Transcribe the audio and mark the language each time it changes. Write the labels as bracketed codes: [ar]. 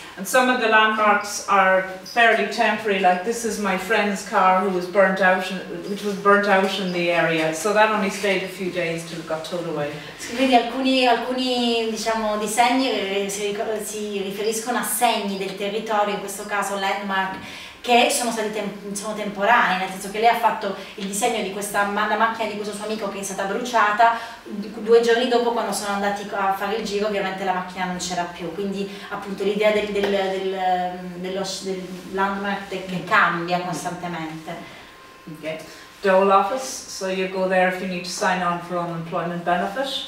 [en] And some of the landmarks are fairly temporary, like this is my friend's car who was burnt out, which was burnt out in the area, so that only stayed a few days till it got towed away. [it] Quindi alcuni diciamo disegni si riferiscono a segni del territorio, in questo caso landmark, che sono stati sono temporanei, nel senso che lei ha fatto il disegno di questa la macchina di questo suo amico che è stata bruciata, due giorni dopo quando sono andati a fare il giro ovviamente la macchina non c'era più, quindi appunto l'idea del landmark che cambia costantemente. [en] Okay. Dole office, so you go there if you need to sign on for unemployment benefit.